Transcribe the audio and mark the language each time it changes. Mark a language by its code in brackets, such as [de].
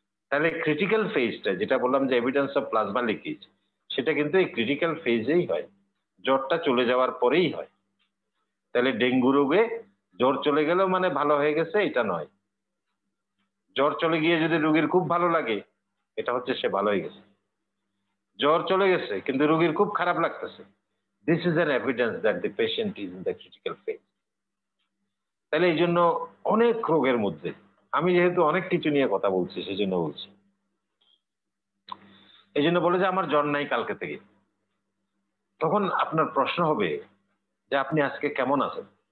[bn] তাহলে ক্রিটিক্যাল ফেজটা যেটা বললাম যে এভিডেন্স অফ প্লাজমা লিকেজ, সেটা কিন্তু এই ক্রিটিক্যাল ফেজেই হয়, জ্বরটা চলে যাওয়ার পরেই হয়। তাহলে ডেঙ্গু রোগে জ্বর চলে গেল মানে ভালো হয়ে গেছে এটা নয়, জ্বর চলে গিয়ে যদি রোগীর খুব ভালো লাগে, এটা হচ্ছে সে ভালো হয়ে গেছে। জ্বর চলে গেছে কিন্তু রোগীর খুব খারাপ লাগতেছে, [en] This is an evidence that the patient is in the critical phase. [bn] তাহলে এই জন্য অনেক রোগের মধ্যে আমি যেহেতু অনেক কিছু নিয়ে কথা বলছি সেজন্য বলছি এই জন্য বলে যে আমার জ্বর নাই কালকে থেকে তখন আপনার প্রশ্ন হবে যে আপনি আজকে কেমন আছেন